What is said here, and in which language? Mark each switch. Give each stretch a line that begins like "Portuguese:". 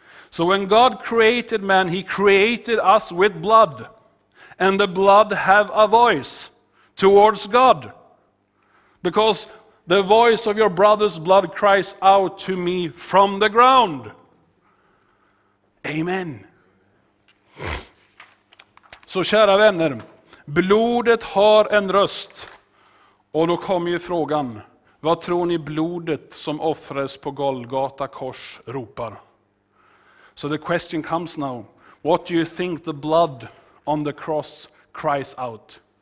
English: So when God created man, he created us with blood. And the blood have a voice towards God. Because the voice of your brother's blood cries out to me from the ground. Amen.
Swedish: Så kära vänner, blodet har en röst. Och då kommer ju frågan, vad tror ni blodet som offras på Golgata kors ropar?
English: So the question comes now, what do you think the blood on the cross cries out?